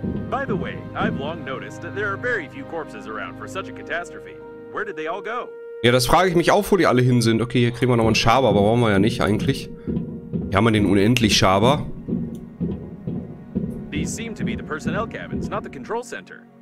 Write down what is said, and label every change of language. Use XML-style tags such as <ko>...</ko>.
<en>By the way, I've long noticed that there are very few corpses around for such a catastrophe. Where did they all go?</en> <de>Ja, das frage ich mich auch, wo die alle hin sind. Okay, hier kriegen wir noch einen Schaber, aber brauchen wir ja nicht eigentlich. Hier haben wir den unendlich Schaber.</de> <en>These seem to be the personnel cabins, not the control center.</en>